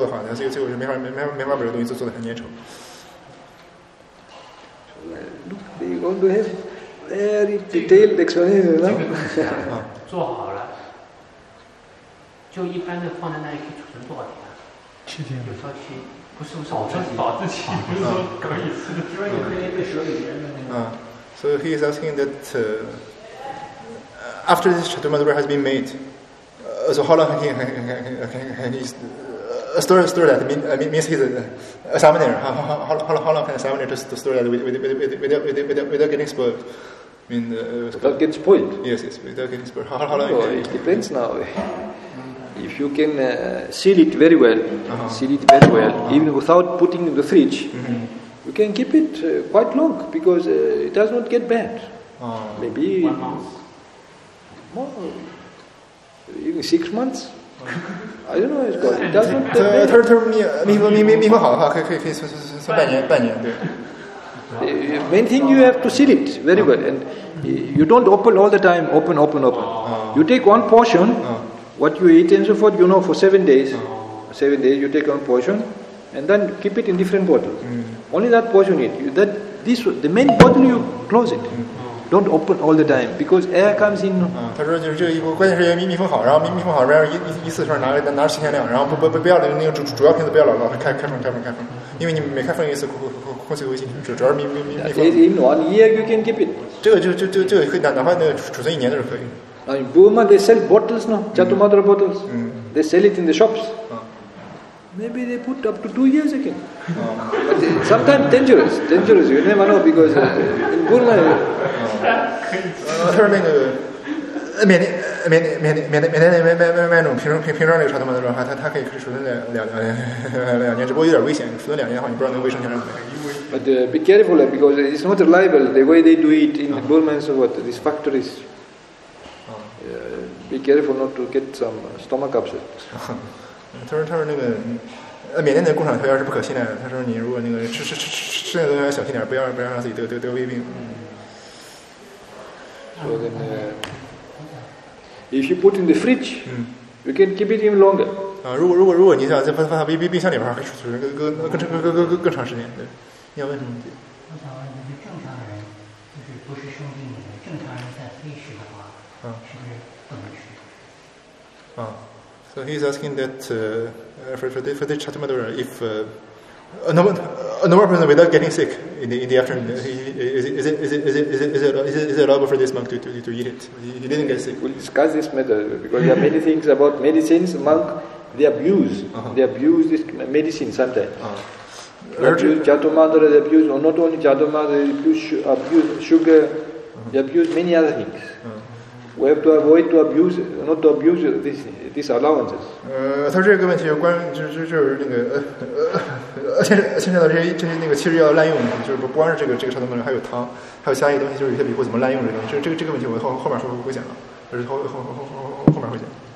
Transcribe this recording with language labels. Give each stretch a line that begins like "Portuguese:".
Chinese: 那个水就是在上面这么一层。
English: Look, they want to have very detailed explanation, you know?
Chinese: 做好了，就一般的放在那里可以储存多少天啊？七天。有效期？不是，保质期。保质期不是可以吃的，因为你那个水里面的那个。
English: So he is asking that after this chaturmadura has been made, so how long can he store that means he's a summoner. How long can a summoner just to store that without getting spoiled? I mean, without getting spoiled? Yes, without getting spoiled. How long? It depends now. If you can seal it very well, uh-huh. seal it very well, uh-huh. even without putting in the fridge, mm-hmm. you can keep it quite long because it does not get bad. Uh-huh. Maybe 1 month? More, even 6 months? I don't know. It's good. It doesn't.
Chinese: 他说密封好的话，可以算半年，对。
English: The main thing you have to seal it very well, and you don't open all the time. Open. You take one portion, what you eat and so forth. You know, for 7 days, 7 days you take one portion, and then keep it in different bottle. Only that portion you eat. The main bottle you close it. Don't open all the time because air comes in.
Chinese: 他说就是这一锅，关键是要密封好，然后密封好，然后一次时候拿新鲜量，然后不要那个主要瓶子不要老开封，因为你每开封一次空气会进去，主要密封。
English: That is in 1 year you can keep it.
Chinese: 这个可以，哪怕那个储存一年都是可以。
English: Now in Burma they sell bottles now, Chaturmadura bottles. They sell it in the shops. Maybe they put up to 2 years again. But sometimes dangerous. You never know because in Burma.
Chinese: 他说那个缅甸那种瓶装那个茶汤的话，它可以储存两年，只不过有点危险，储存两年的话，你不知道那个卫生情况怎么样。
English: But be careful because it's not reliable the way they do it in Burma and so what these factories. Be careful not to get some stomach upset.
Chinese: 他说那个缅甸的工厂条件是不可信赖的。他说你如果那个吃那个东西要小心点，不要让自己得胃病。
English: So then, if you put in the fridge, you can keep it even longer.
Chinese: 如果你想再放到冰箱里边，可以储存更长时间。对，你要问什么？我想问一个正常的人，
English: So he's asking that for the Chatamadura, if a normal person without getting sick in the afternoon, is it allowable for this monk to eat it? He didn't get sick. We'll discuss this matter because there are many things about medicines. Monk, they abuse. Uh-huh. They abuse this medicine sometimes. Uh-huh. They abuse Chatamadura, they abuse, or not only Chatamadura, they abuse sugar, uh-huh. They abuse many other things. Uh-huh. We have to avoid to abuse, not to abuse these allowances.
Chinese: 他这个问题有关，就是那个现在的这些那个其实要滥用，就是不光是这个传统的，还有汤，还有其他一个东西，就是有些笔会怎么滥用这个。这个问题我后面说会讲，就是后面会讲。